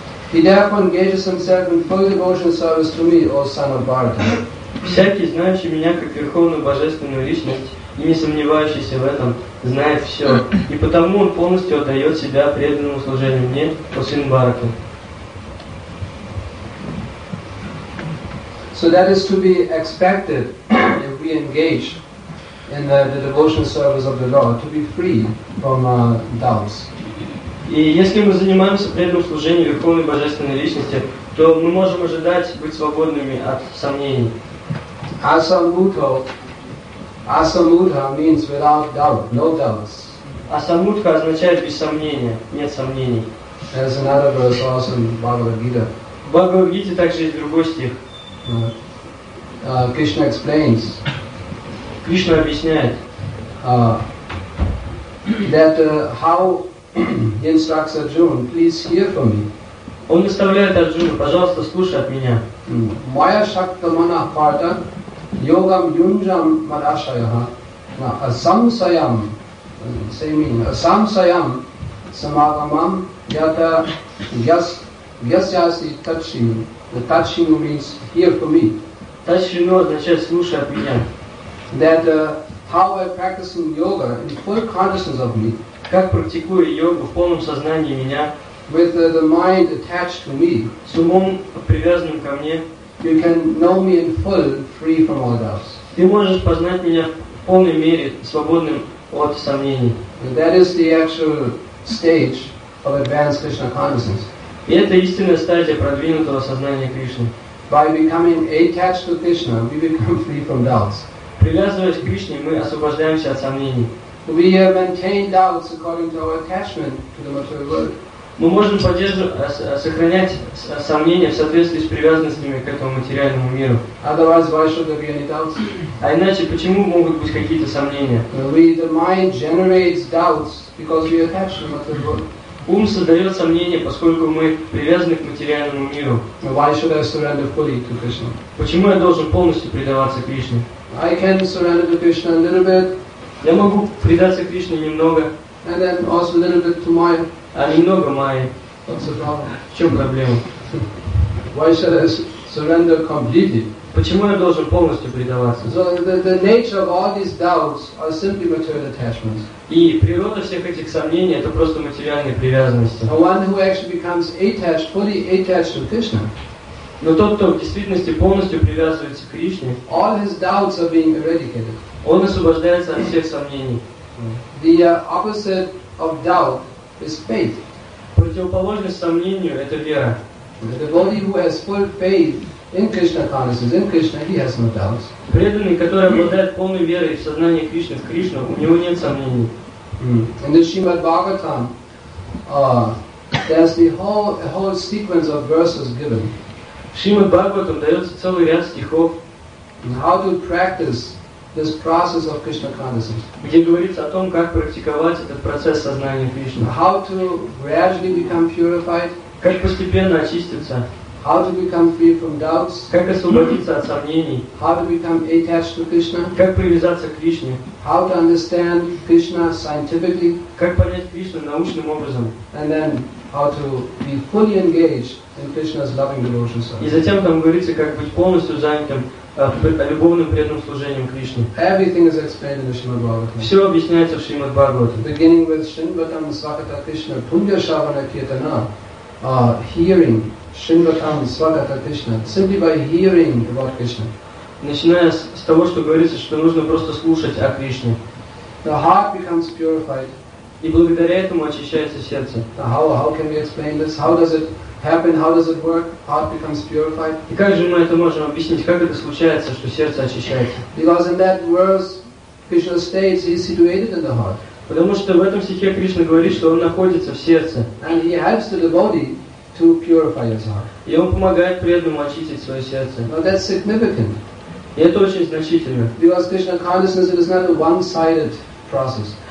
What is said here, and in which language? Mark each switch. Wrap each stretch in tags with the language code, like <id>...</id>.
<en>He therefore engages himself in full devotional service to me, O son of Bharata.</en> <ru>Всякий, знающий меня как Верховную Божественную Личность и не сомневающийся в этом, знает все. И потому он полностью отдает себя преданному служению мне, О сын Бхараты.</ru> <en>So that is to be expected if we engage in the devotional service of the Lord, to be free from doubts.</en> <ru>И если мы занимаемся преданным служением Верховной Божественной Личности, то мы можем ожидать быть свободными от сомнений.</ru> <en>Асамутха means without doubt, no doubts.</en> <ru>Асамутха означает без сомнения, нет сомнений.</ru> <en>There's another verse also in Bhagavad-gita.</en> <ru>В Бхагавад-гите также есть другой стих.</ru> <en>Krishna explains.</en> <ru>Кришна объясняет,</ru> <en>that how he instructs Arjuna, please hear from me.</en> <ru>Он наставляет Арджуну, пожалуйста, слушай от меня.</ru> <sa>Maya shakta mana parta yogam yunjam marashayaha asamsayam asamsayam samagamam yata yasyasi tachinu.</sa> <en>The tachinu means hear from me.</en> <ru>Tachinu означает слушай от меня.</ru> <en>That how I practicing yoga in full consciousness of me,</en> <ru>как практикую йогу в полном сознании меня,</ru> <en>with the mind attached to me,</en> <ru>с умом привязанным ко мне,</ru> <en>you can know me in full, free from all doubts.</en> <ru>Ты можешь познать меня в полной мере свободным от сомнений.</ru> <en>And that is the actual stage of advanced Krishna consciousness.</en> <ru>И это истинная стадия продвинутого сознания Кришны.</ru> <en>By becoming attached to Krishna, we become free from doubts.</en> <ru>Привязываясь к Кришне, мы освобождаемся от сомнений.</ru> <en>We maintain doubts according to our attachment to the material world.</en> <ru>мы можем поддерживать, сохранять сомнения в соответствии с привязанностями к этому материальному миру.</ru> <en>Otherwise, why should there be any doubts?</en> <ru>А иначе почему могут быть какие-то сомнения?</ru> <en>The mind generates doubts because we attach to material world.</en> <ru>Ум создает сомнения, поскольку мы привязаны к материальному миру.</ru> <en>Why should I surrender fully to Krishna?</en> <ru>Почему я должен полностью предаваться Кришне?</ru> <en>I can surrender to Krishna a little bit.</en> <ru>Я могу предаться Кришне немного.</ru> <en>And then also a little bit to Maya.</en> <ru>А немного Майи.</ru> <en>What's the problem?</en> <ru>В чем проблема?</ru> <en>Why should I surrender completely?</en> <ru>Почему я должен полностью предаваться?</ru> <en>So the nature of all these doubts are simply material attachments.</en> <ru>И природа всех этих сомнений — это просто материальные привязанности.</ru> <en>A one who actually becomes attached, fully attached to Krishna.</en> <ru>Но тот, кто в действительности полностью привязывается к Кришне,</ru> <en>all his doubts are being eradicated.</en> <ru>Он освобождается от всех сомнений.</ru> <en>The opposite of doubt is faith.</en> <ru>Противоположность сомнению — это вера.</ru> <en>The devotee who has full faith in Krishna consciousness, in Krishna, he has no doubts.</en> <ru>Преданный, который обладает полной верой в сознание Кришны, в Кришну, у него нет сомнений.</ru> <en>In the Srimad Bhagavatam, there's a whole sequence of verses given.</en> <ru>Srimad Bhagavatam дается целый ряд стихов.</ru> <en>How to practice this process of Krishna consciousness?</en> <ru>Где говорится о том, как практиковать этот процесс сознания Кришны.</ru> <en>How to gradually become purified?</en> <ru>Как постепенно очиститься?</ru> <en>How to become free from doubts?</en> <ru>Как освободиться от сомнений?</ru> <en>How to become attached to Krishna?</en> <ru>Как привязаться к Кришне?</ru> <en>How to understand Krishna scientifically?</en> <ru>Как понять Кришну научным образом?</ru> <en>And then how to be fully engaged in Krishna's loving devotion service?</en> <ru>И затем там говорится, как быть полностью занятым любовным преданным служением Кришне.</ru> <en>Everything is explained in the Srimad Bhagavatam.</en> <ru>Все объясняется в Шримад Бхагаватам.</ru> <en>Beginning with</en> <sa>Shrimadam Svakata Krishna Punya Shavana Kirtana,</sa> <en>hearing Shrimadam Svakata Krishna, simply by hearing about Krishna.</en> <ru>Начиная с того, что говорится, что нужно просто слушать о Кришне.</ru> <en>The heart becomes purified.</en> <ru>И благодаря этому очищается сердце.</ru> <en>How can we explain this? How does it happen? How does it work? Heart becomes purified.</en> <ru>И как же мы это можем объяснить? Как это случается, что сердце очищается?</ru> <en>Because in that verse, Krishna states he is situated in the heart.</en> <ru>Потому что в этом стихе Кришна говорит, что он находится в сердце.</ru> <en>And he helps the devotee to purify his heart.</en> <ru>И он помогает преданному очистить свое сердце.</ru> <en>Now that's significant.</en> <ru>И это очень значительно.</ru> <en>Because Krishna consciousness is not a one-sided process.</en>